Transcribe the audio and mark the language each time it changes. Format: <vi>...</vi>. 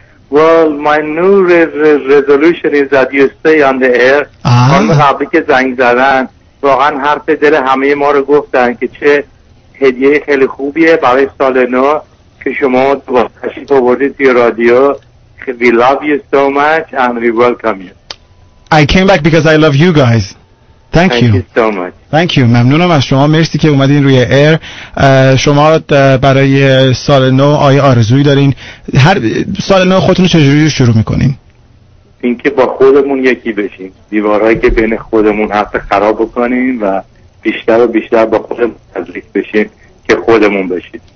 <en>Well, my new resolution is that you stay on the air.</en> <fa>خانم قبلی که زنگ زدن واقعا حرف دل همه ما رو گفتن که چه هدیه خیلی خوبیه برای سال نو که شما تشریف آوردید توی رادیو.</fa> <en>We love you so much and we welcome you. I came back because I love you guys. Thank you so much.</en> <fa>ممنونم از شما. مرسی که اومدین روی ایر. شما برای سال نو آیا آرزویی دارین؟ هر سال نو خودتون چجوری شروع میکنین؟ اینکه با خودمون یکی بشیم. دیوارهایی که بین خودمون هست خراب بکنیم و بیشتر و بیشتر با خودمون نزدیک بشیم که خودمون بشیم.</fa>